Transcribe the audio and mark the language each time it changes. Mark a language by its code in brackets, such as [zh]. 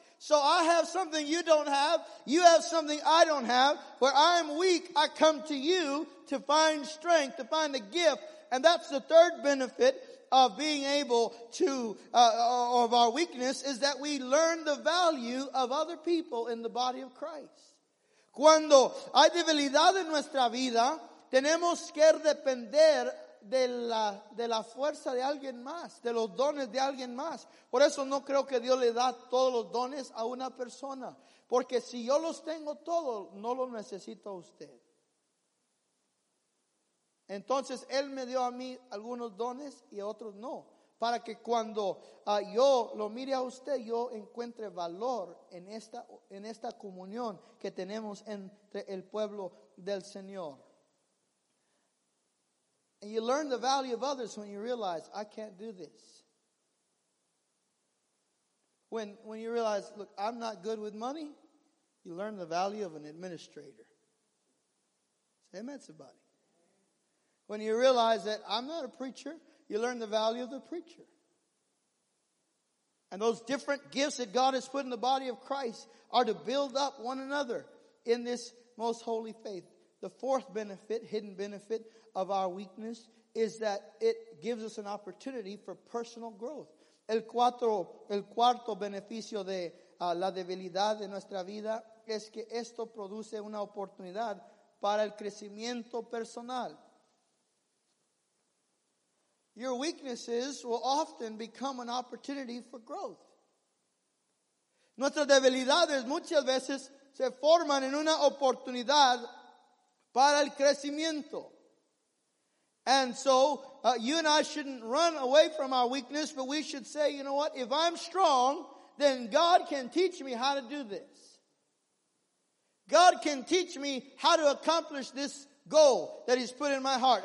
[en] So I have something you don't have. You have something I don't have. Where I am weak, I come to you to find strength, to find a gift. And that's the third benefit of being able to, of our weakness, is that we learn the value of other people in the body of Christ. [es] Cuando hay debilidad en nuestra vida, tenemos que depender de la fuerza de alguien más, de los dones de alguien más. Por eso no creo que Dios le da todos los dones a una persona. Porque si yo los tengo todos, no los necesito a usted. Entonces, Él me dio a mí algunos dones y otros no. Para que cuando yo lo mire a usted, yo encuentre valor en esta comunión que tenemos entre el pueblo del Señor. [en] And you learn the value of others when you realize, I can't do this. When you realize, look, I'm not good with money, you learn the value of an administrator. Say amen, somebody. When you realize that I'm not a preacher, you learn the value of the preacher. And those different gifts that God has put in the body of Christ are to build up one another in this most holy faith. The fourth benefit, hidden benefit of our weakness is that it gives us an opportunity for personal growth. [es] El cuarto beneficio de la debilidad de nuestra vida es que esto produce una oportunidad para el crecimiento personal. [en] Your weaknesses will often become an opportunity for growth. [es] Nuestras debilidades muchas veces se forman en una oportunidad para el crecimiento. [en] And so, you and I shouldn't run away from our weakness, but we should say, you know what? If I'm strong, then God can teach me how to do this. God can teach me how to accomplish this goal that He's put in my heart.